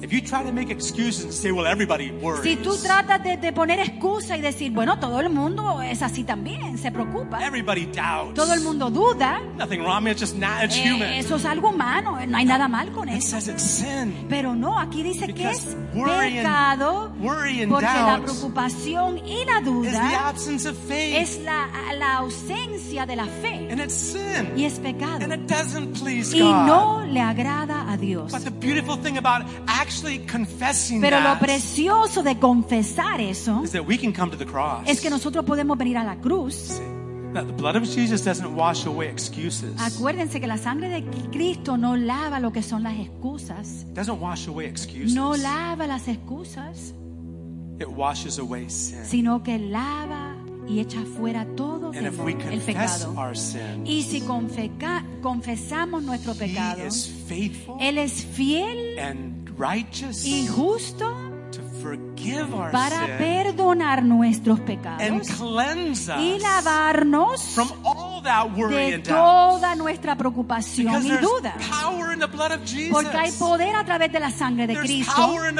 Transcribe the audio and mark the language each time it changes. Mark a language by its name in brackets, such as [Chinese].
[English] If you try to make excuses and say, well, everybody worries. [Spanish] Si tú tratas de poner excusa y decir, bueno, todo el mundo es así también, se preocupa. [English] Everybody doubts. [Spanish] Todo el mundo duda. [English] Nothing wrong, it's just not, it's human. [Spanish] Eso es algo humano, no hay nada mal con eso. [English] It says it's sin. [Spanish] Pero no, aquí dice [English] because [Spanish] que es pecado. [English] Worry and [Spanish] porque la preocupación y la duda [English] is the absence of faith. [Spanish] Es la ausencia de la fe. [English] And it's sin. [Spanish] Y es pecado. [English] And it doesn't please [Spanish] y [English] God. [Spanish] No le agrada a Dios. [English] But the beautiful thing about actually confessing [Spanish] pero [English] that [Spanish] lo precioso de confesar eso [English] is that we can come to the cross. [Spanish] Es que nosotros podemos venir a la cruz. [English] That the blood of Jesus doesn't wash away excuses. [Spanish] Acuérdense que la sangre de Cristo no lava lo que son las excusas. [English] It doesn't wash away excuses. [Spanish] No lava las excusas. [English] It washes away sin. [Spanish] Sino que lava y echa fuera todo temor, el pecado. [English] Sins, [Spanish] y si confesamos nuestro pecado, Él es fiel y justo para perdonar nuestros pecados y lavarnos de toda nuestra preocupación y duda, porque hay poder a través de la sangre de Cristo.